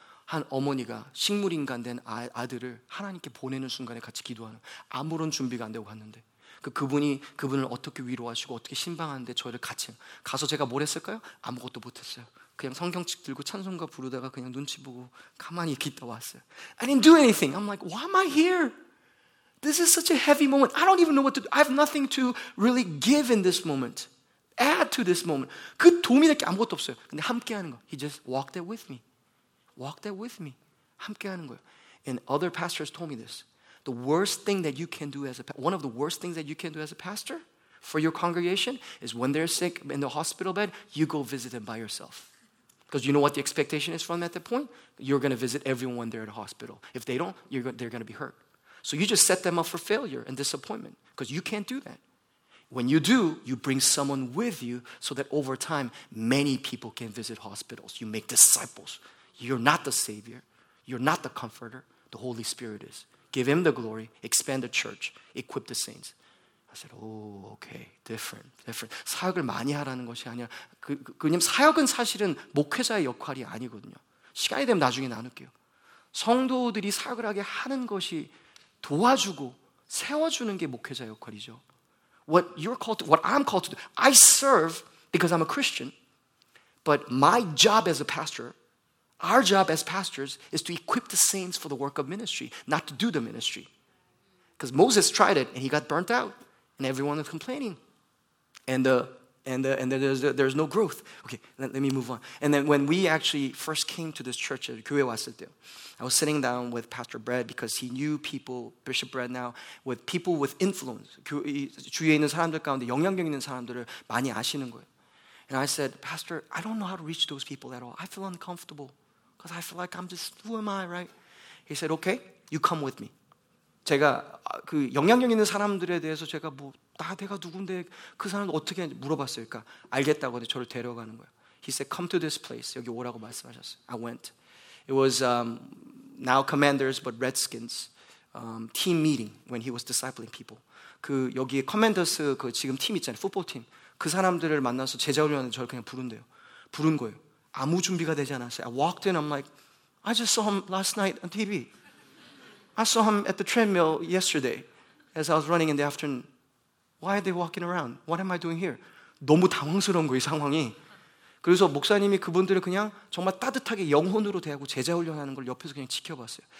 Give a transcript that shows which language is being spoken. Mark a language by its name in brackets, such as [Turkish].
[Korean] 한 어머니가 식물인간 된 아들을 하나님께 보내는 순간에 같이 기도하는 아무런 준비가 안 되고 갔는데 그분을 어떻게 위로하시고 어떻게 신방하는데 저희를 같이 가서 제가 뭘 했을까요? 아무것도 못했어요. 그냥 성경책 들고 찬송가 부르다가 그냥 눈치 보고 가만히 이렇게 있다 왔어요. [English] I didn't do anything. I'm like, why am I here? This is such a heavy moment. I don't even know what to do. I have nothing to really give in this moment. Add to this moment. [Korean] 그 도움이 될 게 아무것도 없어요. 근데 함께하는 거. [English] He just walked there with me. Walked there with me. [Korean] 함께하는 거예요. [English] And other pastors told me this. The worst thing that you can do as a one of the worst things that you can do as a pastor for your congregation is when they're sick in the hospital bed, you go visit them by yourself. Because you know what the expectation is from them at that point? You're going to visit everyone there at the hospital. If they don't, they're going to be hurt. So you just set them up for failure and disappointment because you can't do that. When you do, you bring someone with you so that over time, many people can visit hospitals. You make disciples. You're not the savior. You're not the comforter. The Holy Spirit is. Give him the glory, expand the church, equip the saints. I said, oh, okay, different. [Korean] 사역을 많이 하라는 것이 아니라, 왜냐면 사역은 사실은 목회자의 역할이 아니거든요. 시간이 되면 나중에 나눌게요. 성도들이 사역을 하게 하는 것이 도와주고 세워주는 게 목회자의 역할이죠. [English] What you're called to, what I'm called to do, I serve because I'm a Christian, but my job as a pastor, our job as pastors is to equip the saints for the work of ministry, not to do the ministry. Because Moses tried it and he got burnt out and everyone was complaining. And there's no growth. Okay, let me move on. And then when we actually first came to this church, I was sitting down with Pastor Brad because he knew people, Bishop Brad now, with people with influence. [Korean] 주위에 있는 사람들 가운데 영향력 있는 사람들을 많이 아시는 거예요. [English] And I said, Pastor, I don't know how to reach those people at all. I feel uncomfortable. Because I feel like I'm just, who am I, right? He said, okay, you come with me. [Korean] 제가 그 영향력 있는 사람들에 대해서 제가 뭐, 내가 누군데 그 사람을 어떻게 물어봤을까? 알겠다고 하는데 저를 데려가는 거야. [English] He said, come to this place. [Korean] 여기 오라고 말씀하셨어요. [English] I went. It was now Commanders, but Redskins team meeting when he was discipling people. [Korean] 그 여기에 Commanders 그 지금 팀 있잖아요, 풋볼팀. 그 사람들을 만나서 제자훈련을 저를 그냥 부른대요. 부른 거예요. 아무 준비가 되지 않았어요. [English] I walked in, I'm like, I just saw him last night on TV. I saw him at the treadmill yesterday as I was running in the afternoon. Why are they walking around? What am I doing here? [Korean] 너무 당황스러운 거예요, 상황이. 그래서 목사님이 그분들을 그냥 정말 따뜻하게 영혼으로 대하고 제자훈련하는 걸 옆에서 그냥 지켜봤어요.